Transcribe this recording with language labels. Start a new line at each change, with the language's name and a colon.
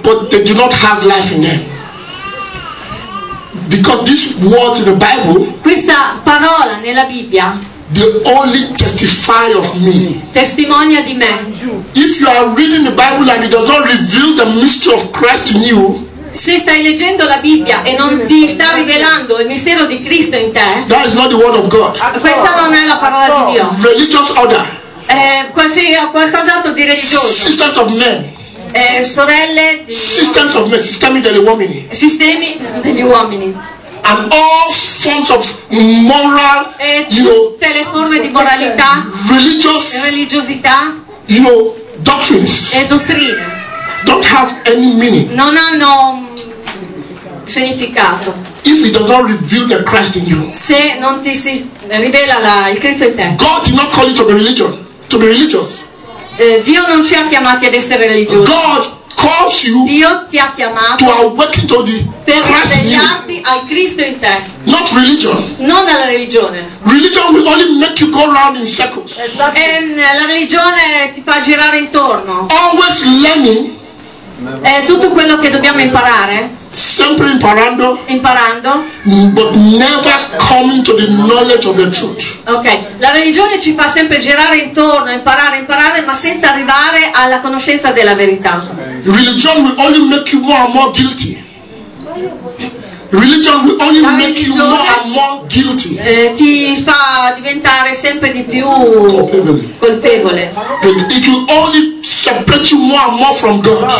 English: But they do not have life in them. Because this word in the Bible,
Italian: questa parola nella Bibbia,
English: the only testify of me,
Italian: testimonia di me.
English: If you are reading the Bible and it does not reveal the mystery of Christ in you,
Italian: se stai leggendo la Bibbia e non ti sta rivelando il mistero di Cristo in te,
English: that is not the word of God.
Italian: Questa non è la parola di Dio.
English: Religious order.
Italian: Qualcos'altro di religioso.
English: Systems of men.
Italian: Sorelle di
English: systems of men,
Italian: sistemi degli uomini. Sistemi degli uomini.
English: And all forms of moral,
Italian: e tutte le forme di moralità, religiosità,
English: you know, doctrines,
Italian: e dottrine.
English: Don't have any meaning.
Italian: Non hanno significato.
English: If it does not reveal the Christ in you.
Italian: Se non ti si rivela il Cristo in te.
English: God did not call you to be religion, to be religious.
Italian: Dio non ci ha chiamati ad essere religiosi.
English: God calls you.
Italian: Dio ti ha chiamato
English: to awaken to the
Italian: per svegliarti al Cristo in te.
English: Not religion.
Italian: Non alla religione.
English: Religion will only make you go round in circles.
Italian: Esatto. La religione ti fa girare intorno.
English: Always learning.
Italian: Tutto quello che dobbiamo imparare. Sempre imparando. Imparando.
English: But never coming to the knowledge of the truth. Ok.
Italian: La religione ci fa sempre girare intorno, imparare, ma senza arrivare alla conoscenza della verità.
English: Religion will only make you more and more guilty. Religion will only make you more and more guilty.
Italian: Ti fa diventare sempre di più colpevole.
English: It will only separate you more and more from God.